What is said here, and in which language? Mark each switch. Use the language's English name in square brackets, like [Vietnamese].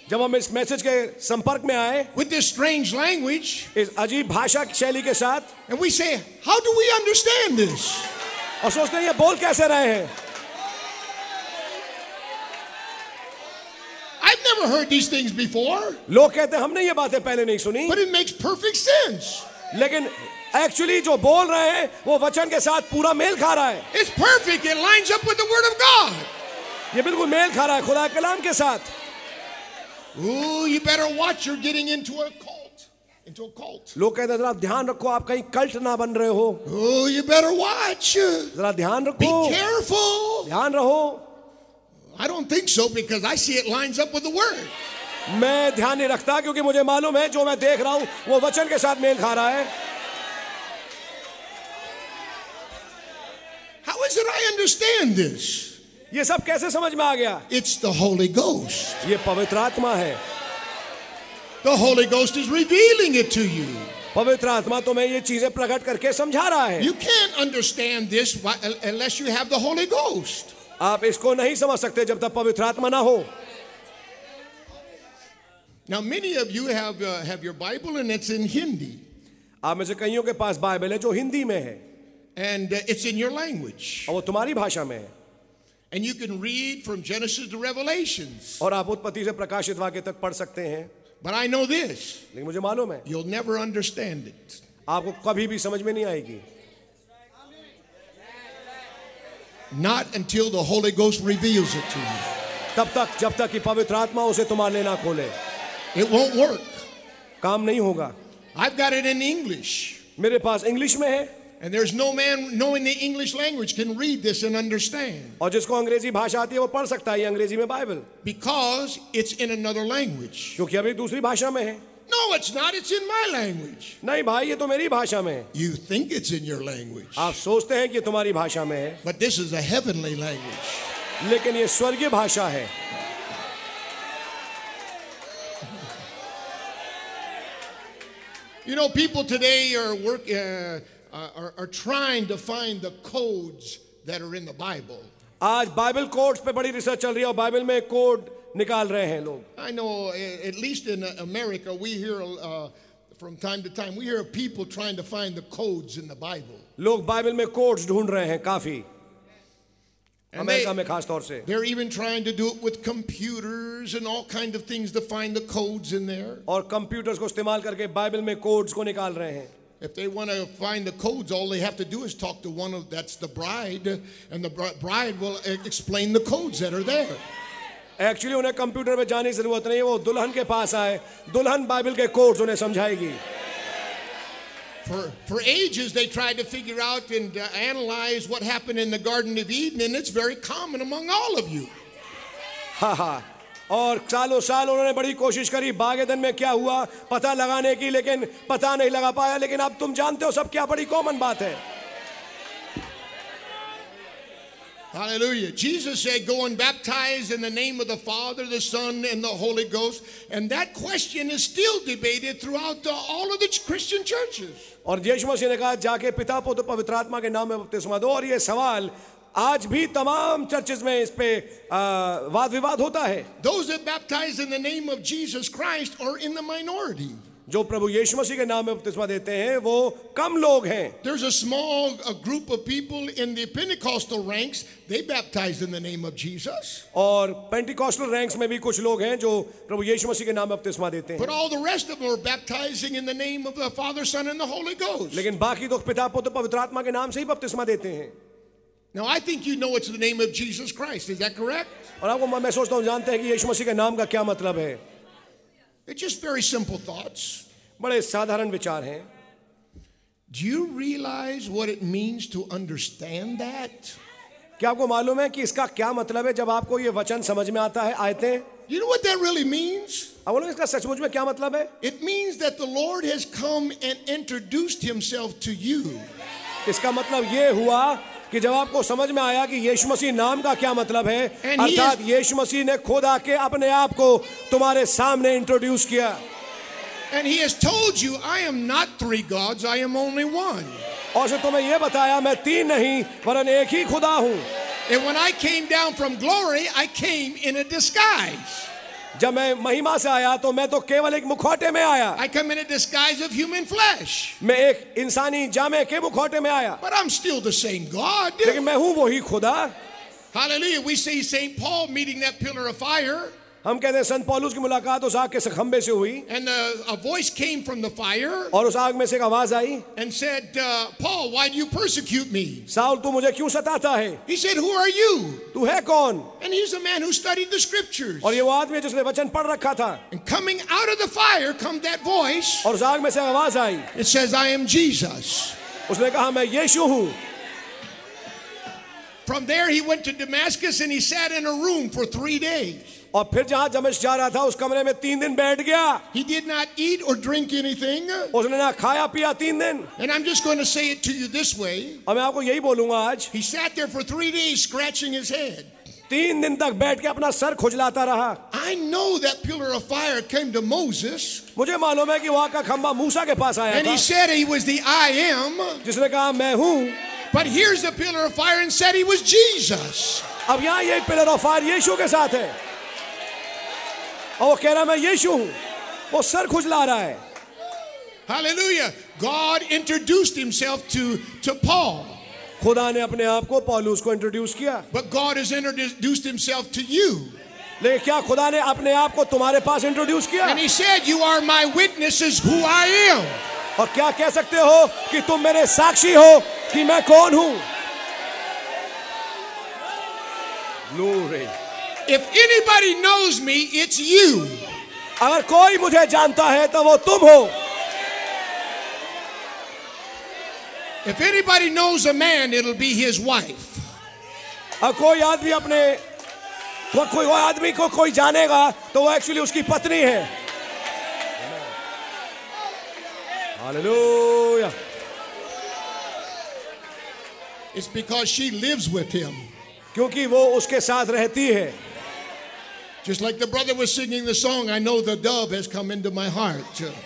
[Hindi] जब हम इस मैसेज के संपर्क में आए [English] with this strange language, [Hindi] इस अजीब भाषा शैली के साथ, [English] and we say, how do we understand this? [Hindi] और सोचते हैं ये बोल कैसे रहे हैं. [English] I've never heard these things before. [Hindi] लोग कहते हैं हमने ये बातें पहले नहीं सुनी. [English] But it makes perfect sense. [Hindi] लेकिन actually जो बोल रहे हैं वो वचन के साथ पूरा मेल खा रहा है. [English] It's perfect. It lines up with the word of God. [Hindi] ये बिल्कुल मेल खा रहा है खुदा कलाम के साथ. [English] Ooh, you better watch. You're getting into a cult. Into a cult. [Hindi] लोग कहते हैं जरा ध्यान रखो आप कहीं कल्ट ना बन रहे हो. [English] Ooh, you better watch. [Hindi] जरा ध्यान रखो. [English] Be careful. [Hindi] ध्यान रहो. [English] I don't think so because I see it lines up with the word. [Hindi] मैं ध्यान नहीं रखता क्योंकि मुझे मालूम है जो मैं देख रहा हूँ वो वचन के साथ मेल खा रहा है. [English] How is it I understand this? [Hindi] ये सब कैसे समझ में आ गया? [English] It's the Holy Ghost. [Hindi] ये पवित्र आत्मा है. [English] The Holy Ghost is revealing it to you. [Hindi] पवित्र आत्मा तुम्हें ये चीजें प्रकट करके समझा रहा है. [English] You can't understand this unless you have the Holy Ghost. [Hindi] आप इसको नहीं समझ सकते जब तक पवित्र आत्मा ना हो. [English] Now many of you have your Bible and it's in Hindi. [Hindi] आप में से कईयों के पास बाइबल है जो हिंदी में है. [English] And it's in your language. [Hindi] और वो तुम्हारी भाषा में है. [English] And you can read from Genesis to Revelations. [Hindi] और आप उत्पत्ति से प्रकाशित वाक्य तक पढ़ सकते हैं. [English] But I know this. [Hindi] लेकिन मुझे मालूम है. [English] You'll never understand it. [Hindi] आपको कभी भी समझ में नहीं आएगी. [English] Not until the Holy Ghost reveals it to you. [Hindi] तब तक जब तक कि पवित्र आत्मा उसे तुम्हारे लिए ना खोले. [English] It won't work. [Hindi] काम नहीं होगा. [English] I've got it in English. [Hindi] मेरे पास इंग्लिश में है. [English] And there's no man knowing the English language can read this and understand. [Hindi] और जिसको अंग्रेजी भाषा आती है वो पढ़ सकता है ये अंग्रेजी में Bible. [English] Because it's in another language. [Hindi] क्योंकि अभी दूसरी भाषा में है. [English] No, it's not. It's in my language. [Hindi] नहीं भाई ये तो मेरी भाषा में है. [English] You think it's in your language. [Hindi] आप सोचते हैं कि ये तुम्हारी भाषा में है. [English] But this is a heavenly language. [Hindi] लेकिन ये स्वर्गीय भाषा है. [English] You know, people today are trying to find the codes that are in the Bible. [Hindi] आज बाइबल कोड्स पे बड़ी रिसर्च चल रही है और बाइबल में कोड निकाल रहे हैं लोग. [English] I know, at least in America, we hear from time to time, we hear people trying to find the codes in the Bible. [Hindi] लोग बाइबल में कोड्स ढूंढ रहे हैं काफी. अमेरिका में खासतौर से. [English] They're even trying to do it with computers and all kinds of things to find the codes in there. [Hindi] और कंप्यूटर्स को इस्तेमाल करके बाइबल में कोड्स को निकाल रहे हैं. [English] If they want to find the codes, all they have to do is talk to one of that's the bride, and the bride will explain the codes that are there. [Hindi] Actually, उन्हें computer पे जाने की जरूरत नहीं है. वो दुल्हन के पास आए, दुल्हन बाइबल के कोड्स उन्हें समझाएगी. [English] For ages, they tried to figure out and analyze what happened in the Garden of Eden, and it's very common among all of you. Ha ha. [Hindi] और सालों साल उन्होंने बड़ी कोशिश करी बाग एदन में क्या हुआ पता लगाने की, लेकिन पता नहीं लगा पाया. लेकिन अब तुम जानते हो सब क्या बड़ी कॉमन बात है. [English] Hallelujah. Jesus said, go and baptize in the name of the Father, the Son, and the Holy Ghost. And that question is still debated throughout all of the Christian churches. [Hindi] और यीशु मसीह ने कहा जाके पिता पुत्र पवित्र आत्मा के नाम में बपतिस्मा दो. और ये सवाल आज भी तमाम चर्चेज में इस पे वाद विवाद होता है. [English] Those that baptize in the name of Jesus Christ are in the minority. [Hindi] जो प्रभु यीशु मसीह के नाम में बपतिस्मा देते हैं वो कम लोग हैं. [English] There's a small group of people in the Pentecostal ranks, they baptize in the name of Jesus. [Hindi] और पेंटिकॉस्टल रैंक्स में भी कुछ लोग हैं जो प्रभु यीशु मसीह के नाम में बपतिस्मा देते हैं. [English] But all the rest of them are baptizing in the name of the Father, Son, and the Holy Ghost. [Hindi] लेकिन बाकी तो पिता पुत्र पवित्र आत्मा के नाम से ही बपतिस्मा देते हैं. [English] Now I think you know it's the name of Jesus Christ. Is that correct? [Hindi] और आपको मैं सोचता हूँ जानते हैं कि यीशु मसीह के नाम का क्या मतलब है. [English] It's just very simple thoughts. [Hindi] बड़े साधारण विचार हैं. [English] Do you realize what it means to understand that? [Hindi] क्या आपको मालूम है कि इसका क्या मतलब है जब आपको ये वचन समझ में आता है आयतें? [English] You know what that really means? [Hindi] अब बोलो इसका सचमुच में क्या मतलब है? [English] It means that the Lord has come and introduced Himself to you. [Hindi] इसका मतलब ये हुआ कि जब आपको समझ में आया कि यीशु मसीह नाम का क्या मतलब है, अर्थात यीशु मसीह ने खुद आके अपने आप को तुम्हारे सामने इंट्रोड्यूस किया. [English] And he has told you, I am not three gods, I am only one. [Hindi] और उसने तुम्हें ये बताया मैं तीन नहीं वरन एक ही खुदा हूँ. [English] And when I came down from glory, I came in a disguise. [Hindi] जब मैं महिमा से आया तो मैं तो केवल एक मुखौटे में आया. [English] I come in a disguise of human flesh. [Hindi] मैं एक इंसानी जामे के मुखौटे में आया. [English] But I'm still the same God. [Hindi] लेकिन मैं हूँ वही खुदा. [English] Hallelujah. We see Saint Paul meeting that pillar of fire. [Hindi] हम कहते हैं संत पौलुस की मुलाकात उस आग के खंभे से हुई. [English] And a voice came from the fire. [Hindi] और उस आग में से एक आवाज आई. [English] And said, Paul, why do you persecute me? [Hindi] Saul तू मुझे क्यों सताता है? [English] He said, who are you? [Hindi] तू है कौन? [English] And he's a man who studied the scriptures. [Hindi] और ये वो आदमी जिसने वचन पढ़ रखा था. [English] And coming out of the fire come that voice. [Hindi] और उस आग में से आवाज आई. [English] It says, I am Jesus. [Hindi] उसने कहा मैं यीशु हूँ. [English] From there he went to Damascus and he sat in a room for 3 days. [Hindi] और फिर जहां दमिश्क जा रहा था उस कमरे में 3 दिन बैठ गया. [English] He did not eat or drink anything. [Hindi] उसने ना खाया पिया 3 दिन. [English] And I'm just going to say it to you this way. [Hindi] और मैं आपको यही बोलूंगा आज. [English] He sat there for 3 days scratching his head. [Hindi] 3 दिन तक बैठ के अपना सर खुजलाता रहा. [English] I know that pillar of fire came to Moses. [Hindi] मुझे मालूम है कि वहां का खंभा मूसा के पास आया. [English] And he said he was the I am. [Hindi] जिसने कहा मैं हूं. [English] But here's the pillar of fire and said he was Jesus. [Hindi] अब यहाँ ये पिलर ऑफ फायर यीशु के साथ है. और वो कह रहा मैं यीशु हूं. वो सर खुजला रहा है. [English] Hallelujah. God introduced himself to Paul. [Hindi] खुदा ने अपने आप को पौलुस को इंट्रोड्यूस किया. [English] But God has introduced himself to you. [Hindi] लेकिन क्या खुदा ने अपने आप को तुम्हारे पास इंट्रोड्यूस किया? [English] And he said, you are my witnesses who I am. [Hindi] और क्या कह सकते हो कि तुम मेरे साक्षी हो कि मैं कौन हूं? [English] Glory. If anybody knows me, it's you. [Hindi] अगर कोई मुझे जानता है तो वो तुम हो. [English] If anybody knows a man, it'll be his wife. [Hindi] अगर कोई आदमी अपने कोई आदमी को कोई जानेगा तो वो एक्चुअली उसकी पत्नी है. [English] Hallelujah. It's because she lives with him. [Hindi] क्योंकि वो उसके साथ रहती है. [English] Just like the brother was singing the song, I know the dove has come into my heart.